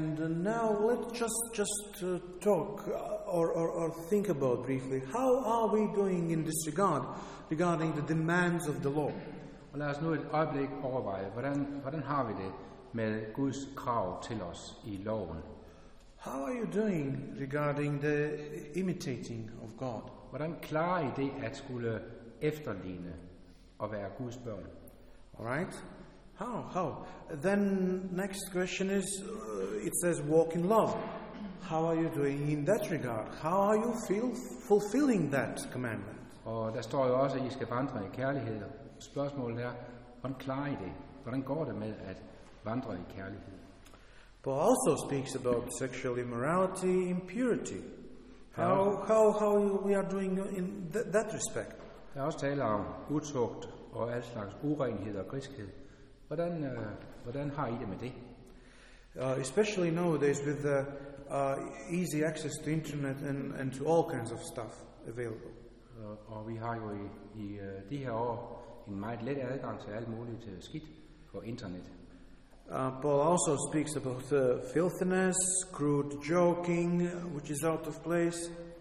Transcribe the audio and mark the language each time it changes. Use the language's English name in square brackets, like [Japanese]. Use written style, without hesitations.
[English] Now let's just talk or think about briefly, how are we doing in this regard regarding the demands of the law? [Danish] Og lad os nu et øjeblik overveje, hvordan har vi det med Guds krav til os i loven? [English] How are you doing regarding the imitating of God? [Danish] Hvordan klarer I det at skulle efterligne og være Guds børn? [English] All right. How? Then next question is, it says walk in love. How are you doing in that regard? How are you fulfilling that commandment? [Danish] Og der står jo også, at I skal vandre i kærlighed. Spørgsmålet er, hvordan klarer I det? Hvordan går det med at vandre i kærlighed? [English] Paul also speaks about sexual immorality, impurity. How we are doing in that respect? [Danish] Der er også tale om utugt og al slags urenhed og griskhed. Hvordan har I det med det? [English] Especially nowadays with the easy access to internet and to all kinds of stuff available. [Danish] Og vi har jo i de her år en meget let adgang til alt muligt skidt på internet. [English] Paul also speaks about filthiness, crude joking, which is out of place.